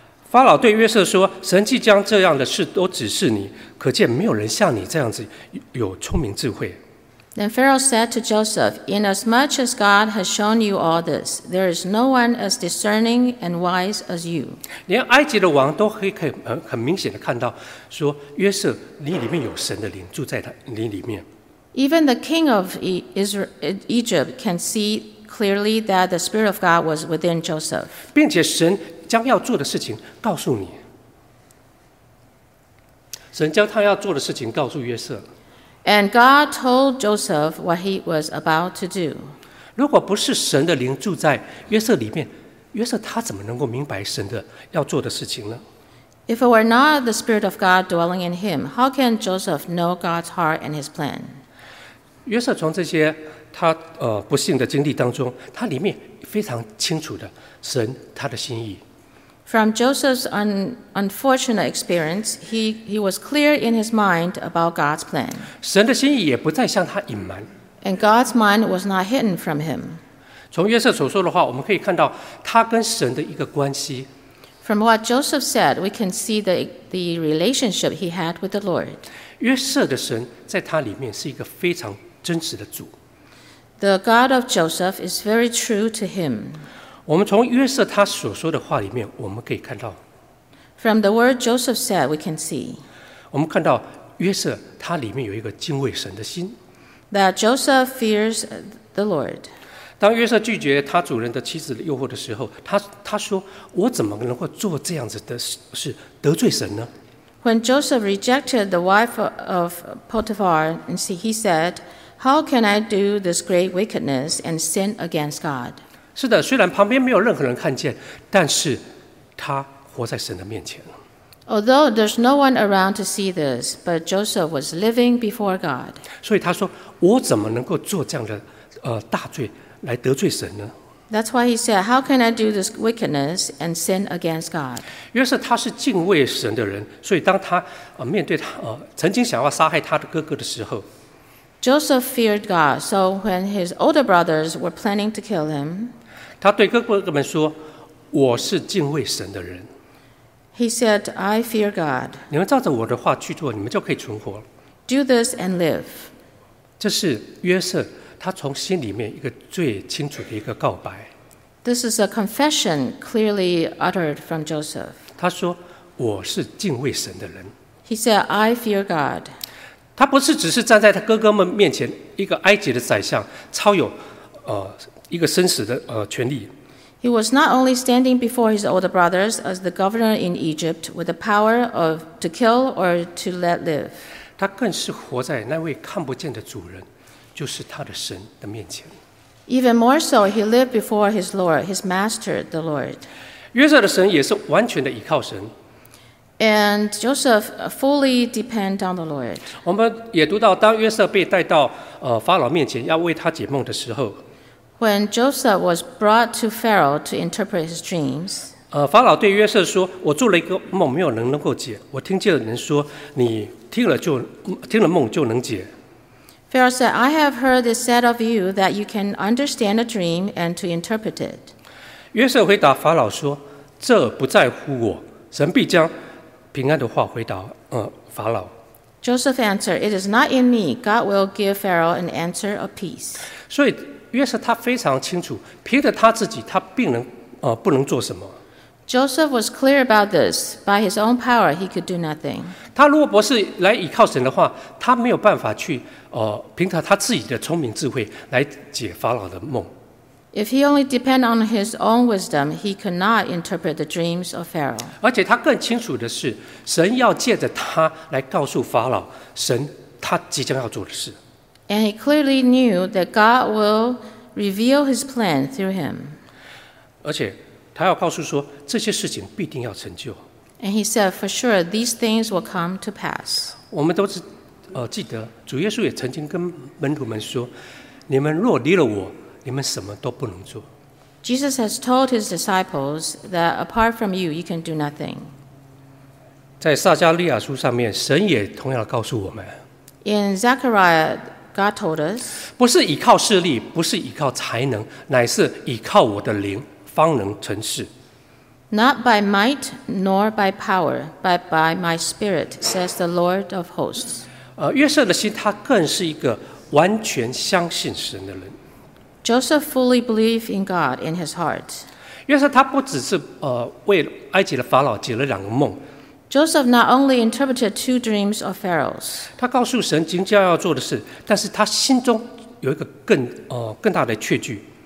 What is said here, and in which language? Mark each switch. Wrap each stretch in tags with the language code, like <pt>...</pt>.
<zh>法老对约瑟说：“神既将这样的事都指示你，可见没有人像你这样子有聪明智慧。”</zh> <en>Then Pharaoh said to Joseph, "Inasmuch as God has shown you all this, there is no one as discerning and wise as you."</en> <zh>连埃及的王都可以很明显的看到，说约瑟，你里面有神的灵住在你里面。</zh> <en>Even the king of Egypt can see clearly that the spirit of God was within Joseph.</en> <zh>并且神将要做的事情告诉你，神将他要做的事情告诉约瑟。</zh> <en>And God told Joseph what he was about to do.</en> <zh>如果不是神的灵住在约瑟里面，约瑟他怎么能够明白神的要做的事情呢？</zh> <en>If it were not the Spirit of God dwelling in him, how can Joseph know God's heart and his plan?</en> <zh>约瑟从这些他不幸的经历当中，他里面非常清楚的神他的心意。</zh> <en>From Joseph's unfortunate experience, he was clear in his mind about God's plan.</en> <zh>神的心意也不再向他隐瞒。</zh> <en>And God's mind was not hidden from him.</en> <zh>从约瑟所说的话，我们可以看到他跟神的一个关系。</zh> <en>From what Joseph said, we can see the relationship he had with the Lord.</en> <zh>约瑟的神在他里面是一个非常真实的主。</zh> <en>The God of Joseph is very true to him.</en> <zh>我们从约瑟他所说的话里面，我们可以看到。</zh> <en>From the word Joseph said, we can see.</en> <zh>我们看到约瑟他里面有一个敬畏神的心。</zh> <en>That Joseph fears the Lord.</en> <zh>当约瑟拒绝他主人的妻子的诱惑的时候，他说：“我怎么能够做这样子的事，得罪神呢？”</zh> <en>When Joseph rejected the wife of Potiphar, and see, he said, "How can I do this great wickedness and sin against God?"</en> <zh>是的，虽然旁边没有任何人看见，但是他活在神的面前。</zh> <en>Although there's no one around to see this, but Joseph was living before God.</en> <zh>所以他说：“我怎么能够做这样的大罪来得罪神呢？”</zh> <en>That's why he said, "How can I do this wickedness and sin against God?"</en> <zh>约瑟他是敬畏神的人，所以当他面对他曾经想要杀害他的哥哥的时候</zh> <en>，Joseph feared God. So when his older brothers were planning to kill him,</en> <zh>他对哥哥们说：“我是敬畏神的人。”</zh> <en>He said, "I fear God."</en> <zh>你们照着我的话去做，你们就可以存活。</zh> <en>Do this and live.</en> <zh>这是约瑟他从心里面一个最清楚的一个告白。</zh> <en>This is a confession clearly uttered from Joseph.</en> <zh>他说：“我是敬畏神的人。”</zh> <en>He said, "I fear God."</en> <zh>他不是只是站在他哥哥们面前，一个埃及的宰相，超有一个生死的权利。</zh> <en>He was not only standing before his older brothers as the governor in Egypt with the power of to kill or to let live.</en> <zh>他更是活在那位看不见的主人，就是他的神的面前。</zh> <en>Even more so, he lived before his Lord, his master, the Lord.</en> <zh>约瑟的神也是完全的依靠神。</zh> <en>And Joseph fully depended on the Lord.</en> <zh>我们也读到，当约瑟被带到法老面前要为他解梦的时候。</zh> <en>When Joseph was brought to Pharaoh to interpret his dreams,</en> <zh>法老对约瑟说：“我做了一个梦，没有人能够解。我听见了人说，你听了就听了梦就能解。”</zh> <en>Pharaoh said, "I have heard it said of you that you can understand a dream and to interpret it."</en> <zh>约瑟回答法老说：“这不在乎我，神必将平安的话回答法老。”</zh> <en>Joseph answered, "It is not in me. God will give Pharaoh an answer of peace."</en> <zh>所以约瑟他非常清楚，凭着他自己，他并能不能做什么。</zh> <en>Joseph was clear about this. By his own power, he could do nothing.</en> <zh>他如果不是来倚靠神的话，他没有办法去凭着他自己的聪明智慧来解法老的梦。</zh> <en>If he only depend on his own wisdom, he could not interpret the dreams of Pharaoh.</en> <zh>而且他更清楚的是，神要借着他来告诉法老神他即将要做的事。</zh> <en>And he clearly knew that God will reveal his plan through him.</en> <zh>而且他要告诉说，这些事情必定要成就。</zh> <en>And he said, for sure, these things will come to pass.</en> <zh>我们都是记得，主耶稣也曾经跟门徒们说，你们若离了我，你们什么都不能做。</zh> <en>Jesus has told his disciples that apart from you, you can do nothing.</en> <zh>在撒迦利亚书上面，神也同样告诉我们。</zh> <en>In Zechariah, God told us,</en> <zh>不是依靠势力，不是依靠才能，乃是依靠我的灵，方能成事。</zh> <en>Not by might nor by power, but by my spirit, says the Lord of hosts.</en> <zh>约瑟的心，他更是一个完全相信神的人。</zh> <en>Joseph fully believed in God in his heart.</en> <zh>约瑟他不只是为埃及的法老解了两个梦。</zh> <en>Joseph not only interpreted two dreams of Pharaoh's.</en> <zh>他告诉神即将要做的事，但是他心中有一个更大的确据。</zh>